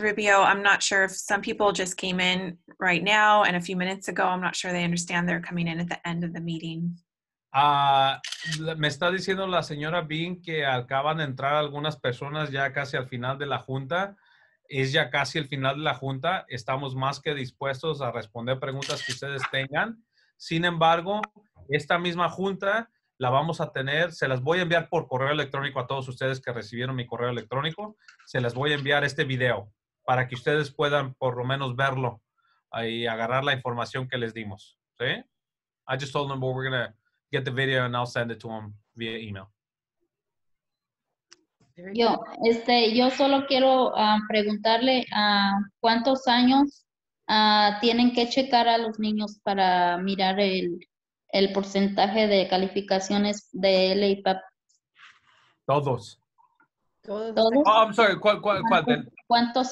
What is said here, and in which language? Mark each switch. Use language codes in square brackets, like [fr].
[en] Rubio, I'm not sure if some people just came in right now and a few minutes ago. I'm not sure they understand they're coming in at the end of the meeting. [es] Me está diciendo la señora Bean que acaban de entrar algunas personas ya casi al final de la junta. Es ya casi el final de la junta. Estamos más que dispuestos a responder preguntas que ustedes tengan. Sin embargo, esta misma junta la vamos a tener, se las voy a enviar por correo electrónico a todos ustedes que recibieron mi correo electrónico. Se las voy a enviar este video para que ustedes puedan por lo menos verlo y agarrar la información que les dimos. ¿Sí? [en] I just told them we're going to get the video and I'll send it to them via email. [es] Yo solo quiero preguntarle cuántos años tienen que checar a los niños para mirar el porcentaje de calificaciones de LAPAP. Todos. [en] Oh, I'm sorry. [es] ¿Cuántos